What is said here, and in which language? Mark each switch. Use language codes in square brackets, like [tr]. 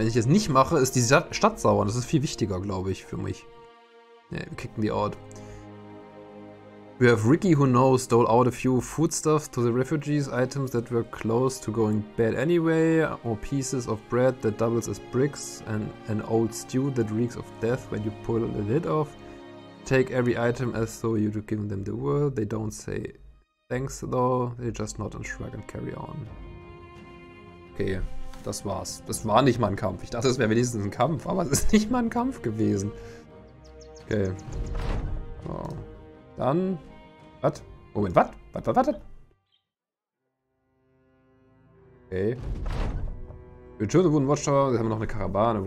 [de] Wenn ich es nicht mache, ist die Stadt sauer. Das ist viel wichtiger, glaube ich, für mich. Ja, wir kicken die out. [en] We have Ricky, who knows, stole out a few foodstuffs to the refugees, items that were close to going bad anyway, or pieces of bread that doubles as bricks, and an old stew that reeks of death when you pull the lid off. Take every item as though you'd given them the world. They don't say thanks though, they just nod and shrug and carry on. [de] Okay, das war's. Das war nicht mal ein Kampf. Ich dachte, es wäre wenigstens ein Kampf, aber es ist nicht mal ein Kampf gewesen. Okay. So. Dann. Was? Moment, was? Was? Okay. Wir töten einen Watchtower. Jetzt haben wir noch eine Karawane.